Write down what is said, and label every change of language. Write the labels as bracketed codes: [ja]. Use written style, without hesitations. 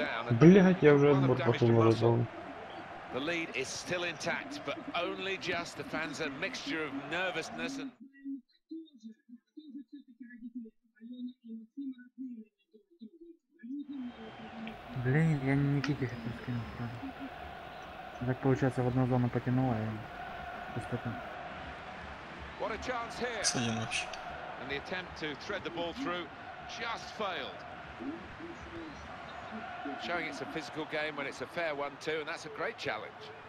[ru] Блять, я уже отбор потом вырезал. [en] The lead is still intact, but only just the fans are a mixture of nervousness and... [ru] Блин, я не Никите хотел скинуть. Так получается, в одну зону потянуло и... [en] What a chance here! And the attempt to thread the ball through just failed. Showing it's a physical game when it's a fair one too, and that's a great challenge.